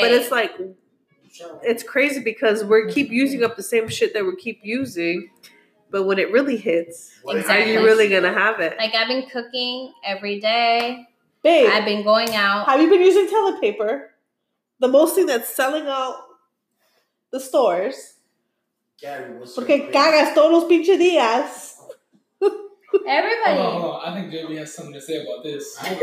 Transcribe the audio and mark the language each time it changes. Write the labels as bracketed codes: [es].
[en] But it's like, it's crazy because we keep using up the same shit that we keep using. But when it really hits, are you really going to have it? Like I've been cooking every day. Babe, I've been going out. Have you been using toilet paper? The most thing that's selling out the stores. Gary, what's [es] Porque cagas todos los pinches días. [en] Everybody. Hold on, hold on. I think JB has something to say about this.